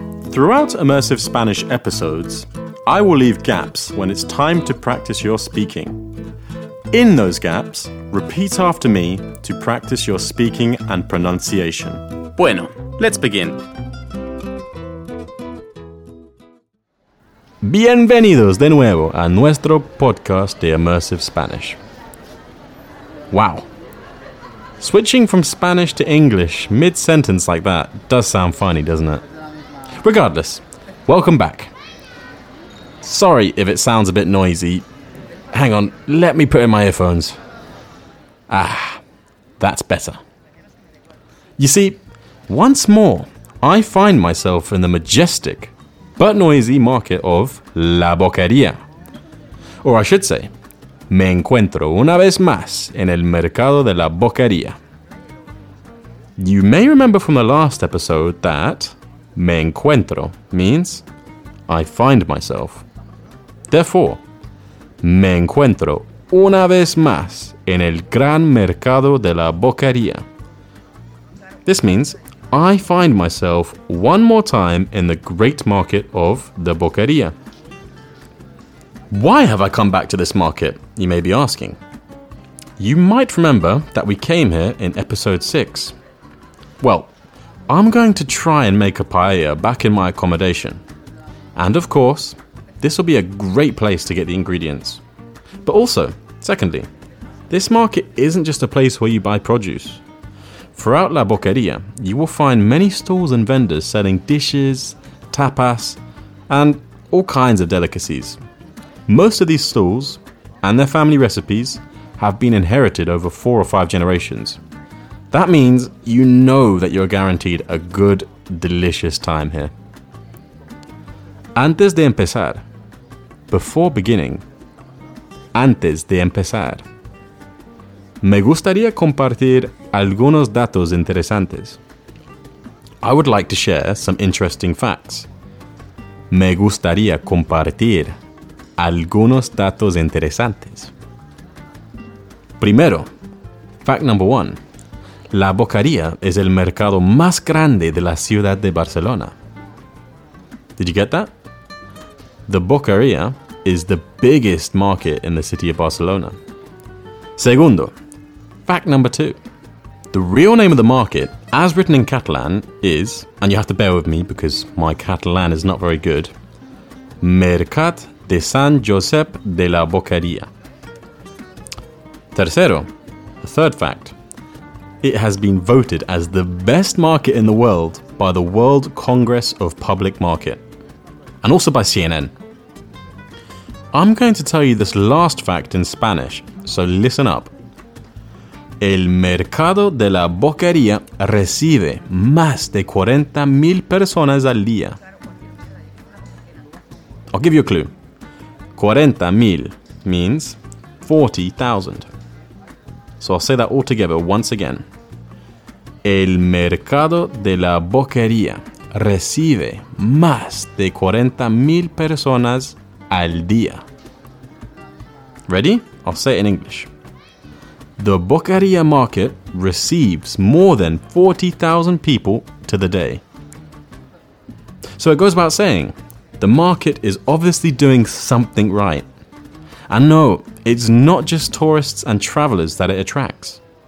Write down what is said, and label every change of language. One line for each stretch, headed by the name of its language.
English: Throughout Immersive Spanish episodes, I will leave gaps when it's time to practice your speaking. In those gaps, repeat after me to practice your speaking and pronunciation.
Spanish: Bueno,
English: let's begin.
Spanish: Bienvenidos de nuevo a nuestro podcast de Immersive Spanish.
English: Wow. Switching from Spanish to English mid-sentence like that does sound funny, doesn't it? Regardless, welcome back. Sorry if it sounds a bit noisy. Hang on, let me put in my earphones. Ah, that's better. You see, once more, I find myself in the majestic but noisy market of La Boqueria. Or I should say,
Spanish: me encuentro una vez más en el mercado de la Boqueria.
English: You may remember from the last episode that
Spanish: me encuentro
English: means I find myself.
Spanish: Therefore, me encuentro una vez más en el gran mercado de la Boquería.
English: This means I find myself one more time in the great market of the Boquería. Why have I come back to this market, you may be asking? You might remember that we came here in episode 6. Well, I'm going to try and make a paella back in my accommodation. And of course, this will be a great place to get the ingredients. But also, secondly, this market isn't just a place where you buy produce. Throughout La Boqueria, you will find many stalls and vendors selling dishes, tapas, and all kinds of delicacies. Most of these stalls, and their family recipes, have been inherited over 4 or 5 generations. That means you know that you're guaranteed a good, delicious time here.
Spanish: Antes de empezar,
English: before beginning,
Spanish: antes de empezar, me gustaría compartir algunos datos interesantes.
English: I would like to share some interesting facts.
Spanish: Me gustaría compartir algunos datos interesantes. Primero,
English: fact number one.
Spanish: La Boqueria is el mercado más grande de la ciudad de Barcelona.
English: Did you get that? The Boqueria is the biggest market in the city of Barcelona.
Spanish: Segundo,
English: fact number two. The real name of the market, as written in Catalan, is, and you have to bear with me because my Catalan is not very good, Mercat de San Josep de la Boqueria.
Spanish: Tercero,
English: the third fact. It has been voted as the best market in the world by the World Congress of Public Market, and also by CNN. I'm going to tell you this last fact in Spanish, so listen up.
Spanish: El mercado de la Boquería recibe más de 40,000 personas al día.
English: I'll give you a clue. 40,000 means 40,000. So I'll say that all together once again.
Spanish: El mercado de la Boquería recibe más de 40,000 personas al día.
English: Ready? I'll say it in English. The Boqueria market receives more than 40,000 people to the day. So it goes without saying, the market is obviously doing something right. And no, it's not just tourists and travelers that it attracts.